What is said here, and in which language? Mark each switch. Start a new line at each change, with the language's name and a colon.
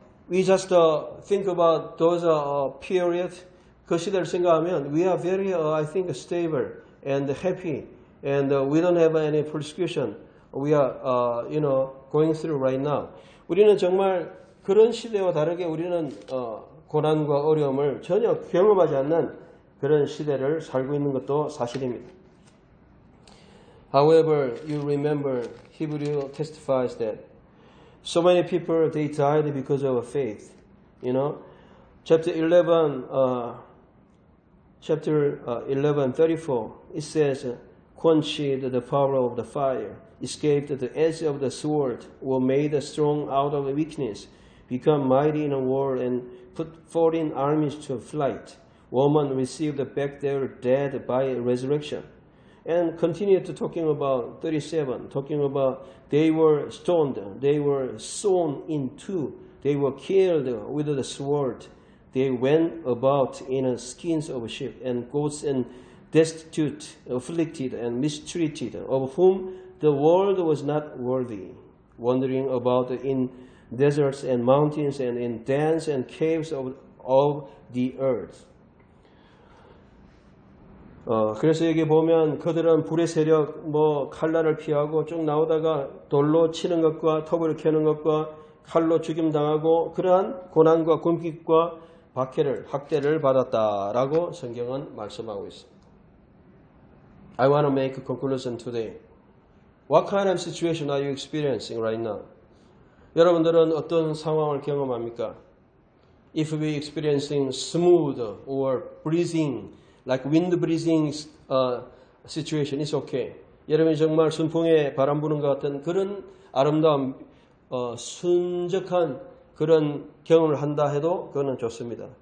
English: We just think about those period,
Korean: 그 시대를 생각하면
English: we are very, I think, stable and happy and we don't have any persecution. We are, going through right now.
Korean: 우리는 정말 그런 시대와 다르게 우리는 고난과 어려움을 전혀 경험하지 않는 그런 시대를 살고 있는 것도 사실입니다.
English: However, you remember Hebrew testifies that so many people they died because of faith. You know, chapter 11, 34, it says, quenched the power of the fire, escaped the edge of the sword, were made strong out of weakness, become mighty in a war, and put foreign armies to flight. Woman received back their dead by resurrection. And continued talking about 37, talking about they were stoned, they were sawn in two, they were killed with the sword. They went about in skins of sheep and goats and destitute, afflicted, and mistreated, of whom the world was not worthy, wandering about in deserts and mountains and in dens and caves of the earth.
Korean: 그래서 여기 보면 그들은 불의 세력, 뭐 칼날을 피하고 쭉 나오다가 돌로 치는 것과 톱을 캐는 것과 칼로 죽임당하고 그러한 고난과 곤핍과 박해를, 학대를 받았다라고 성경은 말씀하고 있습니다.
English: I want to make a conclusion today. What kind of situation are you experiencing right now?
Korean: 여러분들은 어떤 상황을 경험합니까?
English: If we experiencing smooth or breezing, like wind breezing situation, it's okay.
Korean: 여러분이 정말 순풍에 바람 부는 것 같은 그런 아름다운 순적한 그런 경험을 한다 해도 그거는 좋습니다.